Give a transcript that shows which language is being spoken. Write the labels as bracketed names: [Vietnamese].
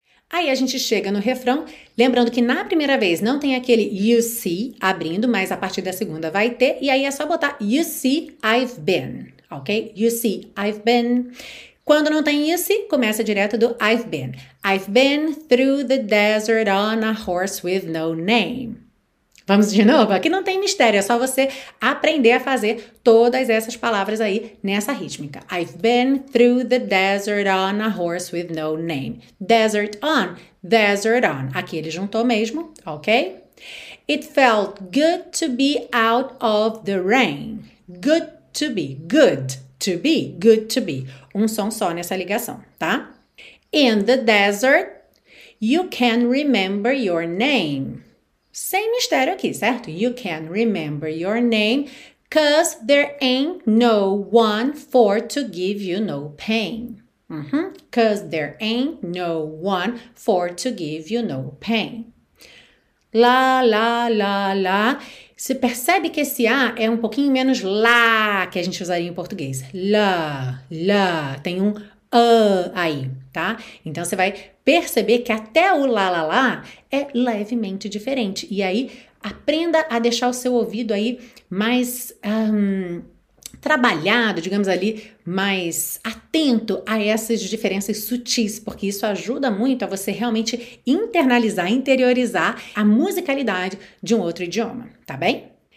[Portuguese] Aí a gente chega no refrão, lembrando que na primeira vez não tem aquele [English] you see [Portuguese] abrindo, mas a partir da segunda vai ter, e aí é só botar [English] you see I've been, [Portuguese] ok? [English] You see I've been. [Portuguese] Quando não tem [English] you see, [Portuguese] começa direto do [English] I've been. I've been through the desert on a horse with no name. [Portuguese] Vamos de novo? Aqui não tem mistério, é só você aprender a fazer todas essas palavras aí nessa rítmica. [English] I've been through the desert on a horse with no name. Desert on, desert on. [Portuguese] Aqui ele juntou mesmo, ok? [English] It felt good to be out of the rain. Good to be, good to be, good to be. [Portuguese] Um som só nessa ligação, tá? [English] In the desert, you can remember your name. [Portuguese] Sem mistério aqui, certo? [English] You can remember your name, 'cause there ain't no one for to give you no pain. Uh-huh. 'Cause there ain't no one for to give you no pain. La, la, la, la. [Portuguese] Você percebe que esse A é um pouquinho menos lá que a gente usaria em português. La, la. Tem um A aí, tá? Então, você vai perceber que até o lá, lá, lá é levemente diferente. E aí, aprenda a deixar o seu ouvido aí mais trabalhado, digamos ali, mais atento a essas diferenças sutis, porque isso ajuda muito a você realmente internalizar, interiorizar a musicalidade de um outro idioma, tá bem?